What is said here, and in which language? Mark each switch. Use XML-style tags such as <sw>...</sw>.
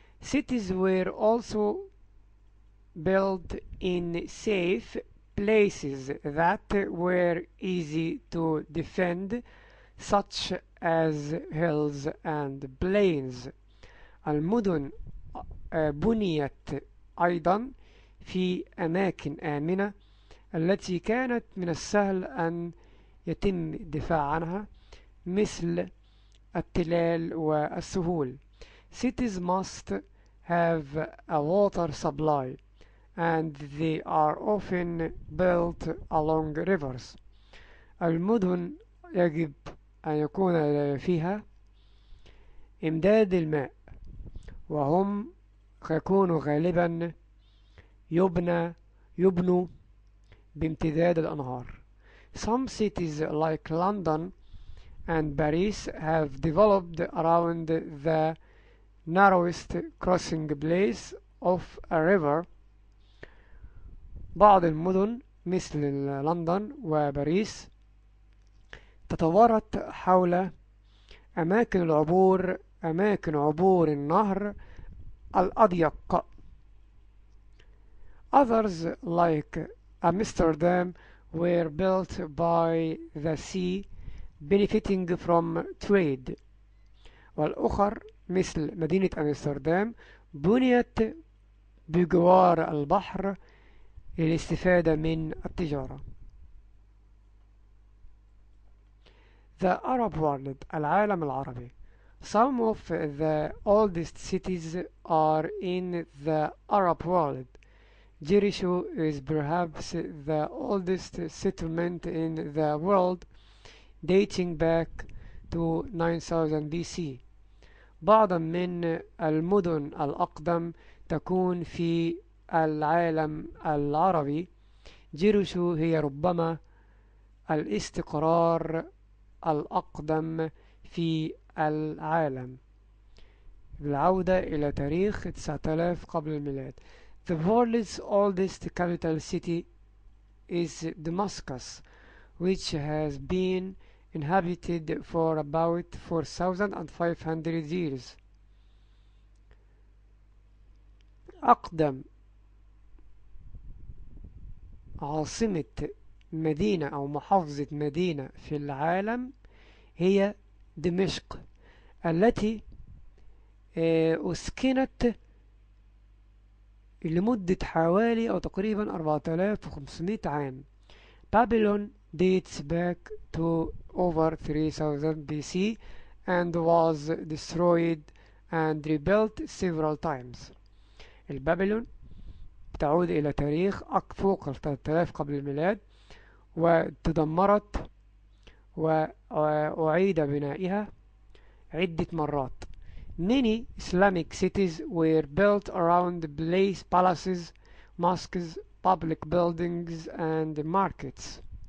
<en>Cities were also built in safe places that were easy to defend, such as hills and plains.</en> <ar>المدن بنيت أيضا في أماكن آمنة التي كانت من السهل أن يتم الدفاع عنها مثل التلال والسهول.</ar> <en>Cities must have a water supply, and they are often built along rivers.</en> <ar>المدن يجب أن يكون فيها إمداد الماء, وهم يكونوا غالبا يبنوا بامتداد الأنهار.</ar> <en>Some cities like London and Paris have developed around the narrowest crossing place of a river.</en> <ar>بعض المدن مثل لندن وباريس تطورت حول أماكن عبور النهر الأضيق.</ar> <en>Others like Amsterdam were built by the sea, benefiting from trade.</en> <ar>والأخر مثل مدينة أمستردام بنيت بجوار البحر للاستفادة من التجارة.</ar> <en>The Arab world,</en> <ar>العالم العربي.</ar> <en>Some of the oldest cities are in the Arab world. Jericho is perhaps the oldest settlement in the world, dating back to 9000 BC.</en> <ar>بعض من المدن الأقدم تكون في العالم العربي, جيروس هي ربما الاستقرار الأقدم في العالم. بالعودة إلى تاريخ 9000 قبل الميلاد،</ar> <en>The world's oldest capital city is Damascus, which has been inhabited for about 4500 years.</en> <ar>أقدم عاصمة مدينة أو محافظة مدينة في العالم هي دمشق، التي أسكنت لمدة حوالي أو تقريبا 4500 عام.</ar> <en>Babylon dates back to over 3000 BC and was destroyed and rebuilt several times.</en> <ar>البابلون تعود إلى تاريخ فوق 3000 قبل الميلاد، وتدمرت وأعيد بنائها عدة مرات.</ar> <en>Many Islamic cities were built around place palaces, mosques, public buildings and markets.</en>